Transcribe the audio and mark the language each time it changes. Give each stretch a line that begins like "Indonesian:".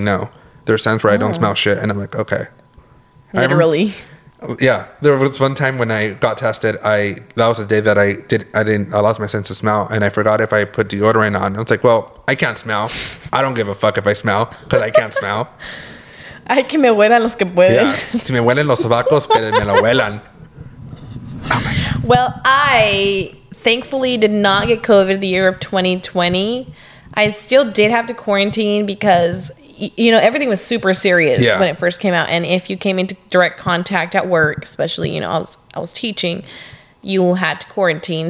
English: No. There's times where I don't smell shit. And I'm like, okay. Literally. Yeah. There was one time when I got tested. That was the day that I lost my sense of smell. And I forgot if I put deodorant on. I was like, well, I can't smell. I don't give a fuck if I smell because I can't smell.
Spanish: Ay, que me huelan los que pueden.
English: Yeah.
Spanish: Si me huelen los sobacos, pero me lo huelan.
English: Well, I thankfully did not get COVID the year of 2020. I still did have to quarantine because, you know, everything was super serious when it first came out. And if you came into direct contact at work, especially, you know, I was teaching, you had to quarantine.